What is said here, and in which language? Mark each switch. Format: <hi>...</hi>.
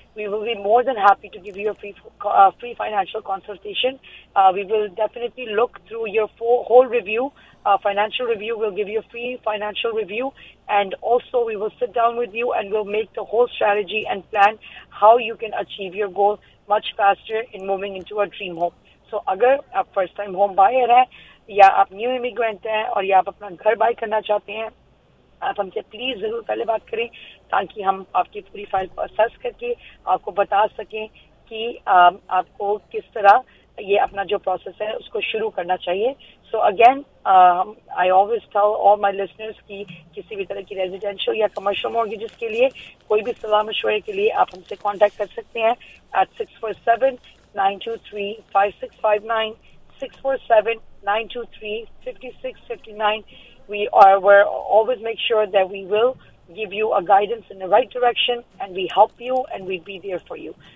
<en>We will be more than happy to give you a free financial consultation. We will definitely look through your whole review. Financial review, we'll give you a free financial review, and also we will sit down with you and we'll make the whole strategy and plan how you can achieve your goal much faster in moving into a dream home.</en> <ur>So agar aap first time home buyer hai, ya aap new immigrant hai, aur ya aap apna ghar buy karna chahte hain, آپ ہم سے please ضرور پہلے بات کریں, تاکہ ہم آپ کی پوری فائل کو اسیس کر کے آپ کو بتا سکیں کہ آپ کو کس طرح یہ اپنا جو پروسیس ہے اس کو شروع کرنا چاہیے.</ur> <en>so again I always tell all my listeners</en> <ur>کی کسی بھی طرح کی ریزیڈینشیل یا کمرشل مارگیجز کے لیے کوئی بھی صلاح مشورے کے لیے آپ ہم سے کانٹیکٹ کر سکتے ہیں at 647-923-5659.</ur> <en>We always make sure that we will give you a guidance in the right direction, and we help you, and we'd be there for you.</en>